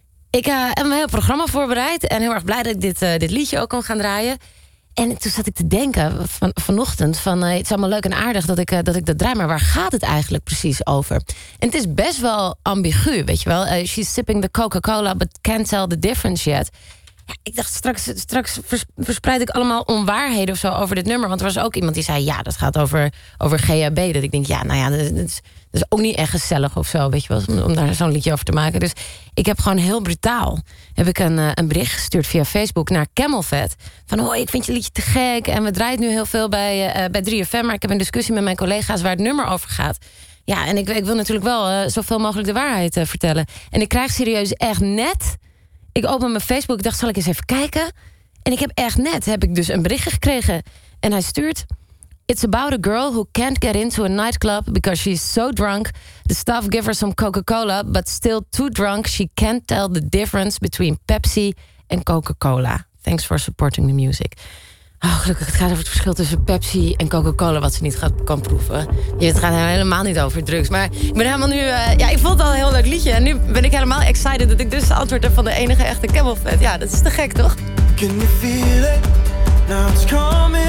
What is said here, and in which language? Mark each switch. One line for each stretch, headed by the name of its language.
Dutch: Ik heb een heel programma voorbereid. En heel erg blij dat ik dit liedje ook kon gaan draaien. En toen zat ik te denken vanochtend. Het is allemaal leuk en aardig dat ik dat draai. Maar waar gaat het eigenlijk precies over? En het is best wel ambigu, weet je wel.
English: She's sipping the Coca-Cola, but can't tell the difference yet.
Dutch: Ja, ik dacht, straks verspreid ik allemaal onwaarheden of zo over dit nummer. Want er was ook iemand die zei, ja, dat gaat over GHB. Dat ik denk, ja, nou ja, dat is ook niet echt gezellig of zo, weet je wel, om daar zo'n liedje over te maken. Dus ik heb gewoon heel brutaal een bericht gestuurd via Facebook naar Camelvet. Van, hoi, ik vind je liedje te gek en we draaien het nu heel veel bij 3FM. Maar ik heb een discussie met mijn collega's waar het nummer over gaat. Ja, en ik wil natuurlijk wel zoveel mogelijk de waarheid vertellen. En ik krijg serieus echt net, ik open mijn Facebook, ik dacht, zal ik eens even kijken? En ik heb echt net, heb ik dus een berichtje gekregen. En hij stuurt,
English: it's about a girl who can't get into a nightclub because she's so drunk. The staff give her some Coca-Cola, but still too drunk. She can't tell the difference between Pepsi and Coca-Cola. Thanks for supporting the music.
Dutch: Oh, gelukkig, het gaat over het verschil tussen Pepsi en Coca-Cola, wat ze niet kan proeven. Het gaat helemaal niet over drugs. Maar ik ben helemaal nu, ik vond het al een heel leuk liedje. En nu ben ik helemaal excited dat ik dus het antwoord heb van de enige echte Camelvet. Ja, dat is te gek, toch?
English: Can you feel it? Now it's coming.